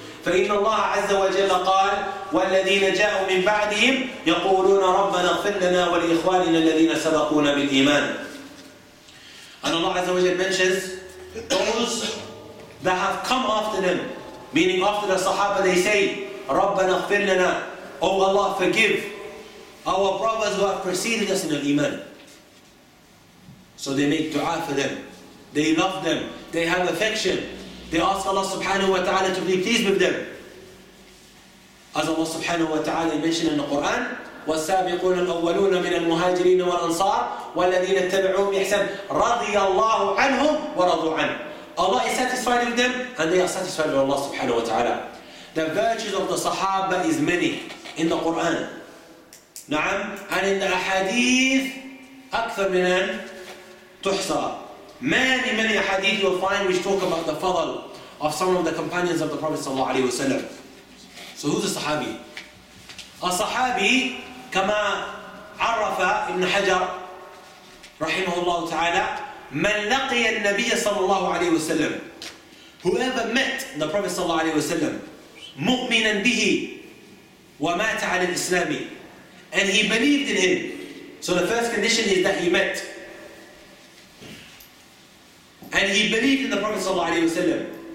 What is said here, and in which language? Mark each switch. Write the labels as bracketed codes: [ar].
[ar] فَإِنَّ اللَّهَ عَزَّ وَجَلَّ قَالَ وَالَّذِينَ جَاءُوا مِنْ بَعْدِهِمْ يَقُولُونَ رَبَّنَا اغْفِرْ لَنَا وَلِإِخْوَانِنَا الَّذِينَ سَبَقُونَا بِالْإِيمَانِ. [en] And Allah Azza wa Jalla mentions those that have come after them, meaning after the Sahaba, they say, [ar] رَبَّنَا اغْفِرْ لَنَا, [en] O Allah, forgive our brothers who have preceded us in the iman. So they make dua for them. They love them. They have affection. They ask Allah subhanahu wa ta'ala to be pleased with them. As Allah subhanahu wa ta'ala mentioned in the Quran, [ar] وَالسَّابِقُونَ الْأَوَّلُونَ مِنَ الْمُهَاجِرِينَ وَالْأَنصَارِ وَالَّذِينَ اتَّبِعُوهُمْ بِإِحْسَانٍ رَضِيَ اللَّهُ عَنْهُمْ وَرَضُوا عَنْهُ. [en] Allah is satisfied with them and they are satisfied with Allah subhanahu wa ta'ala. The virtues of the Sahaba is many in the Quran. [ar] نعم. [en] And in the Ahadith, [ar] أكثر من أن تحصى. [en] Many, many hadith you'll find which talk about the fadl of some of the companions of the Prophet sallallahu alayhi wa sallam. So who's a sahabi? A sahabi, [ar] كما عرف ابن حجر رحمه الله تعالى, من لقي النبي صلى الله عليه وسلم. [en] Whoever met the Prophet [ar] صلى الله عليه وسلم, مؤمنا به ومات على الإسلام, [en] and he believed in him. So the first condition is that he met and he believed in the Prophet صلى الله عليه وسلم.